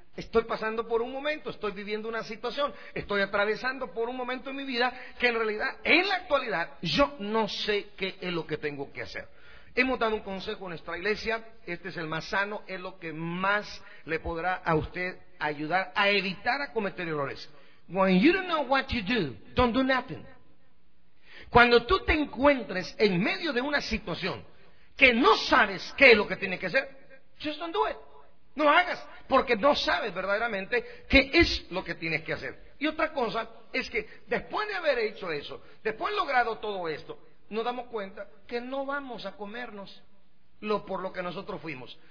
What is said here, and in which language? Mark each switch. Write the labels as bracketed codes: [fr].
[es] Estoy pasando por un momento, estoy viviendo una situación, estoy atravesando por un momento en mi vida que en realidad, en la actualidad, yo no sé qué es lo que tengo que hacer. Hemos dado un consejo a nuestra iglesia, este es el más sano, es lo que más le podrá a usted ayudar a evitar a cometer errores. [en] When you don't know what to do, don't do nothing. [es] Cuando tú te encuentres en medio de una situación que no sabes qué es lo que tienes que hacer, [en] just don't do it. [es] No hagas, porque no sabes verdaderamente qué es lo que tienes que hacer. Y otra cosa es que después de haber hecho eso, después de logrado todo esto, nos damos cuenta que no vamos a comernos lo por lo que nosotros fuimos.